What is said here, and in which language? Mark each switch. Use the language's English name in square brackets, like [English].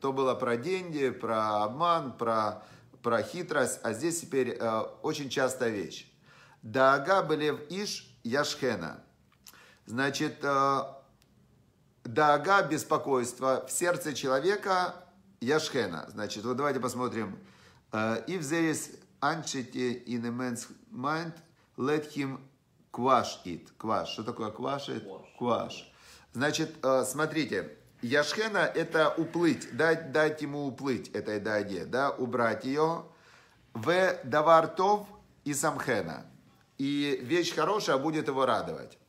[Russian] То было про деньги, про обман, про хитрость, а здесь теперь очень частая вещь. [Hebrew] Даага белев иш яшхена. [Russian] Значит, даага, беспокойство в сердце человека... Яшхена, значит, вот давайте посмотрим. [English] If there is anxiety in a man's mind, let him quash it. Quash. [Russian] Что такое [English] quash it? Quash. [Russian] Значит, смотрите, Яшхена – это уплыть, дать ему уплыть этой даге, да, убрать ее. [Hebrew] В давартов и самхена. [Russian] И вещь хорошая будет его радовать.